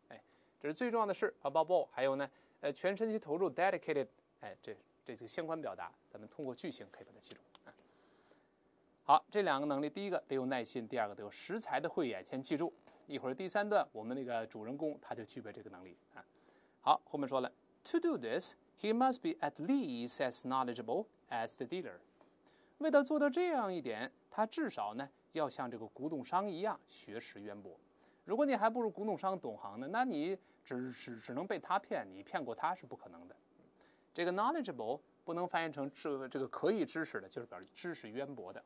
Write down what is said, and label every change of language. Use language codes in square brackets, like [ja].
[zh] 哎，这是最重要的是 above all， 还有呢，全身心投入 dedicated。哎，这个相关表达，咱们通过句型可以把它记住。啊、好，这两个能力，第一个得有耐心，第二个得有识才的慧眼，先记住。一会儿第三段，我们那个主人公他就具备这个能力啊。好，后面说了 [en] ，To do this, he must be at least as knowledgeable as the dealer. [zh] 为了做到这样一点，他至少呢要像这个古董商一样学识渊博。如果你还不如古董商懂行呢，那你只能被他骗，你骗过他是不可能的。这个 knowledgeable 不能翻译成这个可以知识的，就是表示知识渊博的。